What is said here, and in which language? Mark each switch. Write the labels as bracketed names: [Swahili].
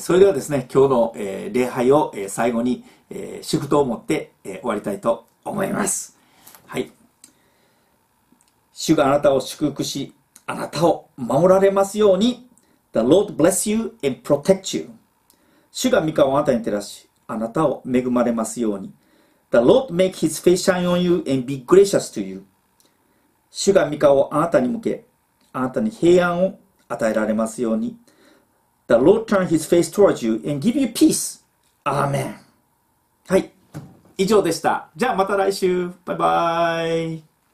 [Japanese] それではですね、今日の、礼拝を、最後に、祝祷を持って、終わりたいと思います。はい。主があなたを祝福し、あなたを守られますように。 [English] The Lord bless you and protect you。 [Japanese] 主が御顔をあなたに照らし、あなたを恵まれますように。 [English] The Lord make his face shine on you and be gracious to you。 [Japanese] 主が御顔をあなたに向け、あなたに平安を与えられますように。 [English] The Lord turn his face towards you and give you peace。 [Japanese] アーメン。 はい、以上でした。じゃあまた来週。バイバイ。